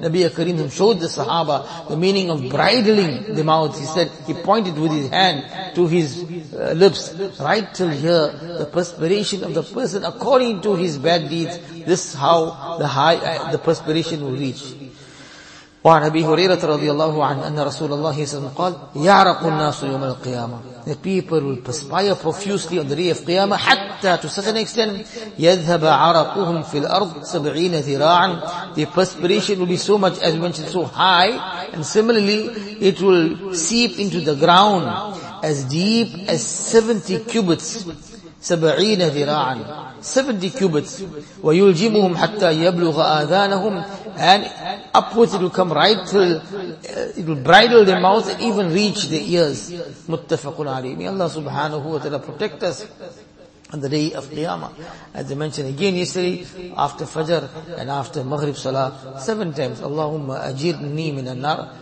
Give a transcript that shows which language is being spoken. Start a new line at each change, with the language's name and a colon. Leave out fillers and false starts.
English: Nabiya Kareem showed the Sahaba the meaning of bridling the mouth. He said, he pointed with his hand to his lips, right till here, the perspiration of the person according to his bad deeds, this is how the perspiration will reach.
Arabic: وعن أبي هريرة رضي الله عنه أن رسول الله صلى الله عليه وسلم قال يعرق الناس يوم القيامة.
English: The people will perspire profusely on the day of Qiyamah, حتى to such an extent
Arabic: يذهب عرقهم في الأرض 70 ذراعا.
English: The perspiration will be so much, as mentioned, so high, and similarly it will seep into the ground as deep as 70 cubits.
Arabic: 70 ذراعا, 70 cubits. ويلجمهم حتى يبلغ آذانهم.
English: And upwards it will come right till it will bridle their mouths and even reach their ears. Muttafaqun alayhi. May Allah subhanahu wa ta'ala protect us on the day of Qiyamah. As I mentioned again yesterday, after Fajr and after Maghrib Salah, 7 times,
Arabic: Allahumma ajirni minan nar.